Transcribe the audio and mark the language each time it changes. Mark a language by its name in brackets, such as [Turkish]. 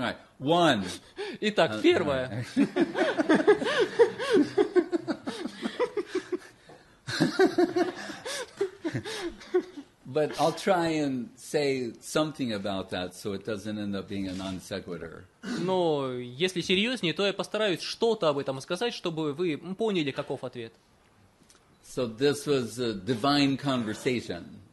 [English] All right. One. [Russian] Итак, первое. [English] But I'll try and say something about that so it doesn't end up being a non sequitur. [Russian] Но если серьезнее, то я постараюсь что-то об этом сказать, чтобы вы поняли, каков ответ. [English] So this was a divine conversation.